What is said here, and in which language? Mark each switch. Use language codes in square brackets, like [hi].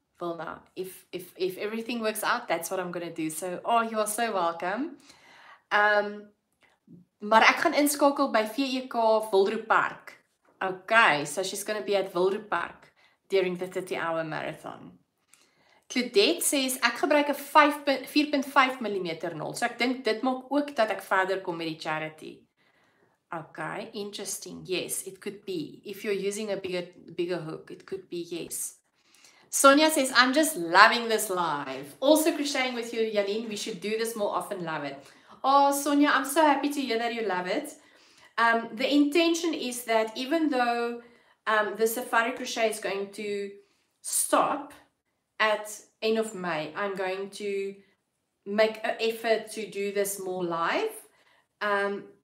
[en] Vilna, if everything works out, that's what I'm going to do. So, oh, you are so welcome. [af] Maar ek gaan inskakel by VEK Wildroep Park. [en] Okay, so she's going to be at Wildroep Park during the 30-hour marathon. Claudette says, [af] ek gebruik 'n 4.5mm nol, so ek dink dit maak ook dat ek verder kom met die charity. [en] Okay, interesting. Yes, it could be. If you're using a bigger hook, it could be, yes. Sonia says, I'm just loving this live. Also crocheting with you, Jalene, we should do this more often, love it. Oh, Sonia, I'm so happy to hear that you love it. The intention is that even though the Safari Crochet is going to stop at end of May, I'm going to make an effort to do this more live.